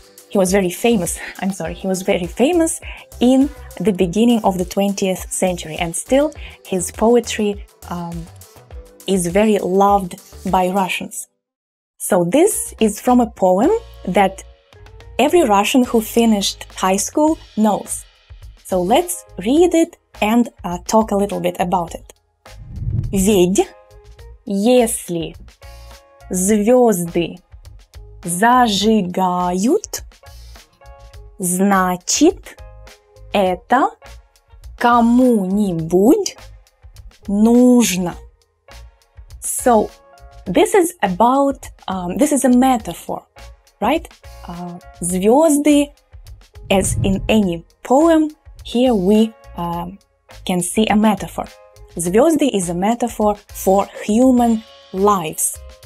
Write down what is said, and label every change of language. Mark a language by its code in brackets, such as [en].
[en] He was very famous in the beginning of the 20th century, and still his poetry is very loved by Russians. So this is from a poem that every Russian who finished high school knows. So let's read it and talk a little bit about it. [ru] Ведь если звезды зажигают, значит это кому-нибудь нужно. [en] So this is about, this is a metaphor. Right? Звезды, as in any poem, here we can see a metaphor. Звезды is a metaphor for human lives.